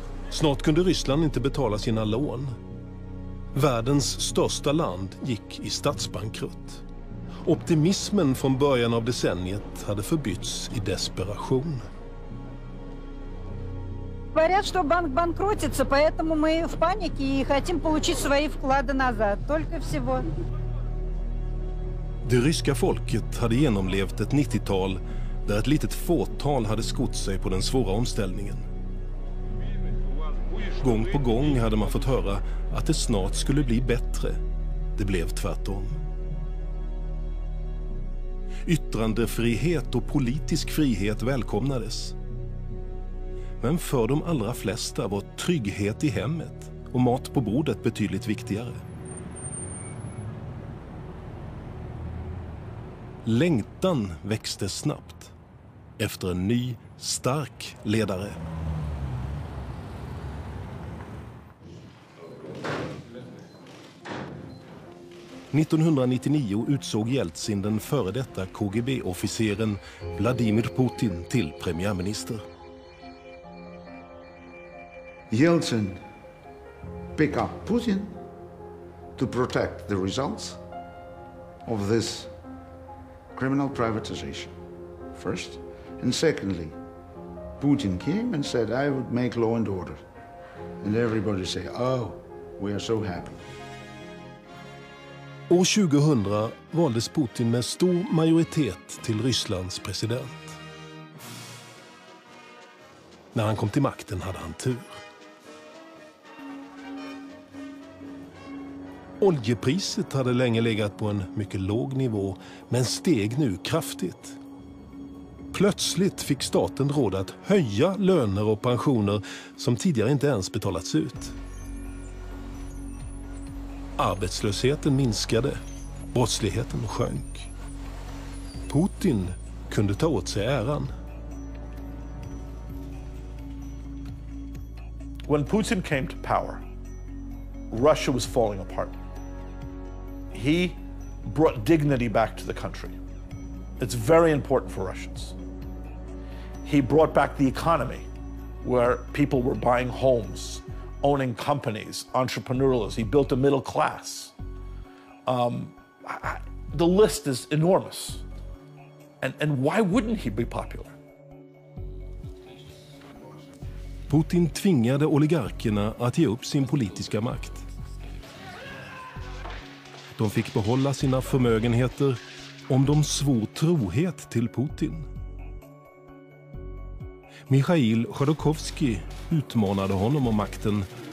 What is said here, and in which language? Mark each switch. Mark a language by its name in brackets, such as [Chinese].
[Swedish] Snart kunde Ryssland inte betala sina lån. Världens största land gick i statsbankrutt. Optimismen från början av decenniet hade förbytts i desperation. [Russian] Говорят, что банк банкротится, поэтому мы в панике и хотим получить свои вклады назад, только всего. [Swedish] Det ryska folket hade genomlevt ett 90-tal där ett litet fåtal hade skott sig på den svåra omställningen. Gång på gång hade man fått höra att det snart skulle bli bättre. Det blev tvärtom. Yttrandefrihet och politisk frihet välkomnades. Men för de allra flesta var trygghet i hemmet och mat på bordet betydligt viktigare. Längtan växte snabbt efter en ny, stark ledare. ...1999 utsåg Jeltsin den före detta KGB-officeren Vladimir Putin till premiärminister. [English] Jeltsin pick up Putin to protect the results of this criminal privatization first. And secondly, Putin came and said I would make law and order. And everybody say, oh, we are so happy. [Swedish] År 2000 valdes Putin med stor majoritet till Rysslands president. När han kom till makten hade han tur. Oljepriset hade länge legat på en mycket låg nivå, men steg nu kraftigt. Plötsligt fick staten råd att höja löner och pensioner som tidigare inte ens betalats ut. Arbetslösheten minskade, brottsligheten sjönk. Putin kunde ta åt sig äran. [English] When Putin came to power, Russia was falling apart. He brought dignity back to the country. It's very important for Russians. He brought back the economy, where people were buying homes, owning companies, entrepreneurs. He built a middle class. The list is enormous. And why wouldn't he be popular? [Swedish] Putin tvingade oligarkerna att ge upp sin politiska makt. De fick behålla sina förmögenheter om de svor trohet till Putin. Mikhail Khodorkovsky utmanade honom om makten.